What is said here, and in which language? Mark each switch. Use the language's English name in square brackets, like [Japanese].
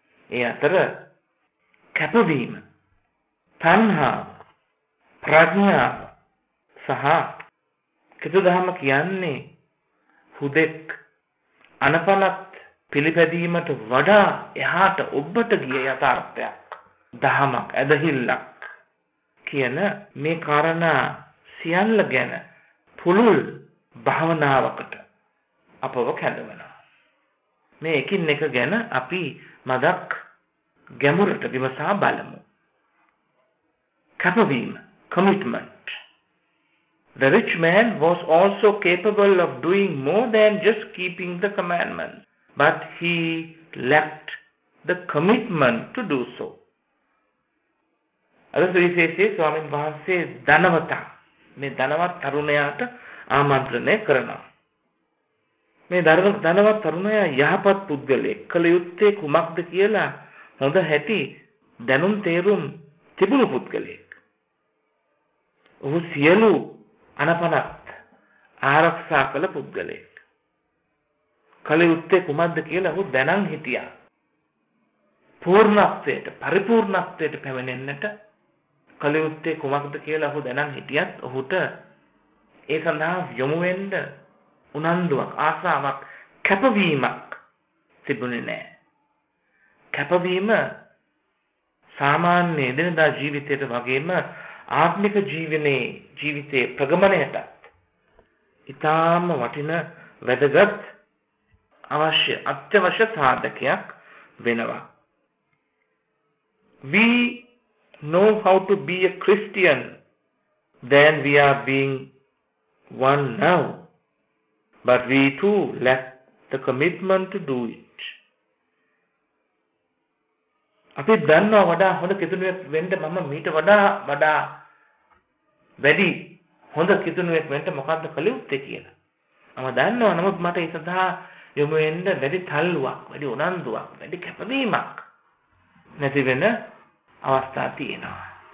[Sinhala] ඒ අතර කැපවීම, තණ්හා, ප්‍රඥා සහ කිතුදහම කියන්නේ හුදෙක් අනපනත් පිළිපැදීමට වඩා එහාට ඔබට ගිය යථාර්ථයක්, දහමක්, ඇදහිල්ලක් කියන මේ කාරණා සියල්ල ගැන පුළුල් භාවනාවකට අපව කැඳවනවා. මේ එකින් එක ගැන අපි මදක් ගැඹුරට විමසා බලමු. කැපවීම, commitment. [English] The rich man was also capable of doing more than just keeping the commandments, but he lacked the commitment to do so. [Sinhala] අද සුවිශේෂයේ ස්වාමීන් වහන්සේ ධනවතා මේ ධනවත් තරුණයාට ආමන්ත්‍රණය කරනවා. මේ ධනවත් තරුණයා යහපත් පුද්ගලෙක්, කළ යුත්තේ කුමක්ද කියලා හොඳ හැටි දැනුම් තේරුම් තිබුණු පුද්ගලයෙක්. ඔහු සියලු අනපනත් ආරක්ෂා කළ පුද්ගලයෙක්. කළ යුත්තේ කුමක්ද කියලා ඔහු දැනන් හිටියා. පූර්ණත්වයට, පරිපූර්ණත්වයට පැමිණෙන්නට කළ යුත්තේ කුමක්ද කියලා ඔහු දැනන් හිටියත් ඔහුට ඒ සඳහා යොමු වෙන්න උනන්දුවක්, ආසාවක්, කැපවීමක් තිබුණේ නැහැ. කැපවීම සාමාන්‍ය එදිනදා ජීවිතයට වගේම ආත්මික ජීවනයේ ජීවිතයේ ප්‍රගමණයටත් ඉතාම වටින වැදගත් අවශ්‍ය අත්‍යවශ්‍ය සාධකයක් වෙනවා. [English] We know how to be a Christian than we are being one now, but we too lack the commitment to do it. [Sinhala] අපි දන්නවා වඩා හොඳ කිතුණුවෙක් වෙන්න මම මීට වඩා වඩා වැඩි හොඳ කිතුණුවෙක් වෙන්න මොකද්ද කළ යුත්තේ කියලා. මම දන්නවා. නමුත් මට ඒ සඳහා යොමු වෙන්න වැඩි තල්ලුවක්, වැඩි උනන්දුවක්, වැඩි කැපවීමක් නැති වෙන අවස්ථා තියෙනවා.